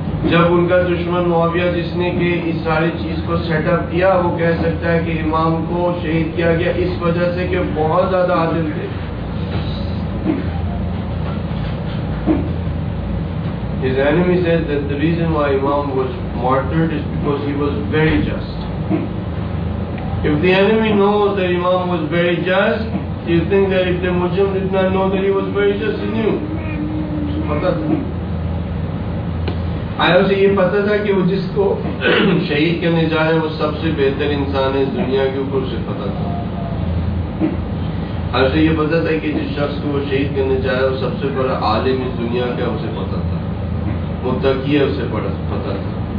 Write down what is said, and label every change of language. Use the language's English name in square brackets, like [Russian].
[Urdu] جب ان کا دشمن معاویہ, جس نے کہ اس ساری چیز کو سیٹ اپ کیا, وہ کہہ سکتا ہے کہ امام کو شہید کیا گیا اس وجہ سے کہ بہت زیادہ عادل تھے, [English] his enemy said that the reason why Imam was martyred is because he was very just. If the enemy knows that Imam was very just, do you think that if the Mujrim did not know that he was very just, he knew? [Urdu] آیا اسے یہ پتا تھا کہ وہ جس کو شہید کرنے جا رہے ہیں وہ سب سے بہتر انسان ہے اس دنیا کے اوپر؟ اسے پتا تھا. آیا اسے یہ پتا تھا کہ جس شخص کو وہ شہید کرنے جا رہے ہیں وہ سب سے بڑا عالم اس دنیا کا؟ اسے پتا تھا, متقی ہے, اسے پتا تھا.